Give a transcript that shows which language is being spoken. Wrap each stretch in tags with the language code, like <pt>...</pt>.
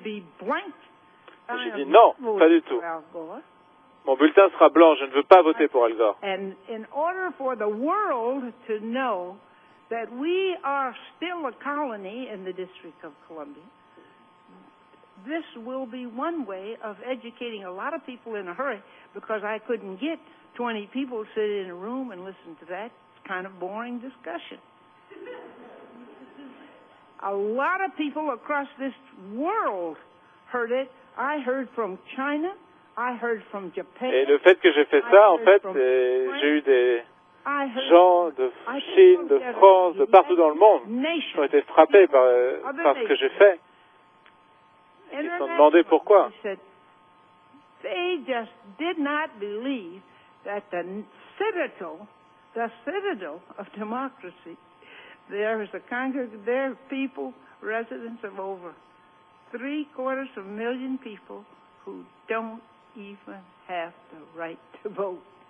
<fr>J'ai dit non, pas du tout. Mon bulletin sera blanc, je ne veux pas voter pour Al Gore.</fr> <en>And in order for the world to know that we are still a colony in the District of Columbia, this will be one way of educating a lot of people in a hurry, because I couldn't get 20 people to sit in a room and listen to that kind of boring discussion. A lot of people across this world heard it. I heard from China. I heard from Japan.</en> <fr>Et le fait que j'ai fait ça, en fait, j'ai eu des gens de Chine, de France, de partout dans le monde qui ont été frappés par ce que j'ai fait. Ils se sont demandé pourquoi.</fr> <en>They just did not believe that the citadel of democracy, there is a there people, residents of over 750,000 people who don't even have the right to vote.</en>